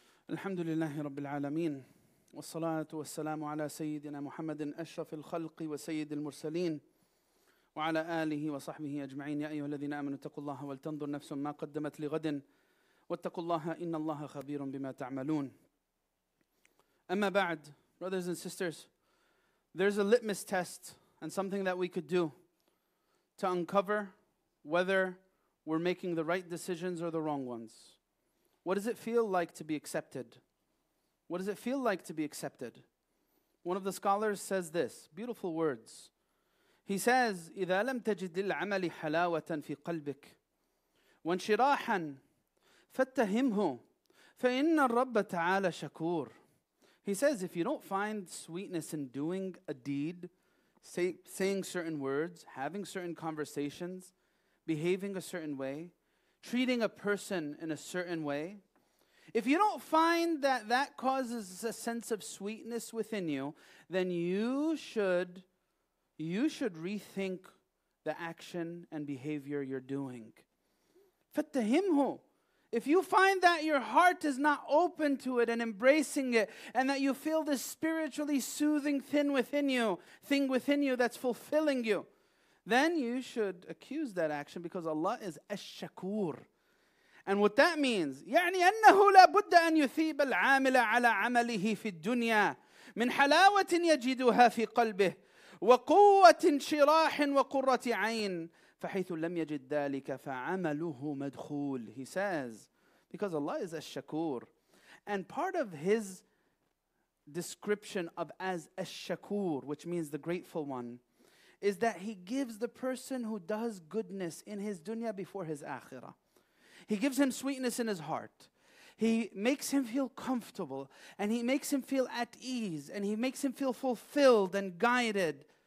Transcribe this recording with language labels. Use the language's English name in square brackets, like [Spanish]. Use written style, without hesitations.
[Arabic] الحمد لله رب العالمين والصلاة والسلام على سيدنا محمد أشرف الخلق وسيد المرسلين وعلى آله وصحبه أجمعين. يا أيها الذين آمنوا اتقوا الله ولتنظر نفس ما قدمت لغد واتقوا الله إن الله خبير بما تعملون. أما بعد, [English] brothers and sisters, there's a litmus test and something that we could do to uncover whether we're making the right decisions or the wrong ones. What does it feel like to be accepted? What does it feel like to be accepted? One of the scholars says this, beautiful words. He says, [Arabic] إِذَا لَمْ تَجِدِ الْعَمَلِ حَلَاوَةً فِي قَلْبِكَ وَانْشِرَاحًا فَاتَّهِمْهُ فَإِنَّ الرَّبَّ تَعَالَ شَكُورٌ. [English] He says, if you don't find sweetness in doing a deed, saying certain words, having certain conversations, behaving a certain way, treating a person in a certain way, If you don't find that that causes a sense of sweetness within you, then you should rethink the action and behavior you're doing. [Arabic] فَتَّهِمْهُ. [English] If you find that your heart is not open to it and embracing it, and that you feel this spiritually soothing thing within you that's fulfilling you, then you should accuse that action, because Allah is الشكور. And what that means, [Arabic] يعني أنه لابد أن يثيب العامل على عمله في الدنيا من حلاوة يجدها في قلبه وقوة شراح وقرة عين فحيث لم يجد ذلك فعمله مدخول. [English] He says, because Allah is الشكور. And part of his description of as الشكور, which means the grateful one, is that he gives the person who does goodness in his dunya before his akhirah. He gives him sweetness in his heart. He makes him feel comfortable, and he makes him feel at ease, and he makes him feel fulfilled and guided.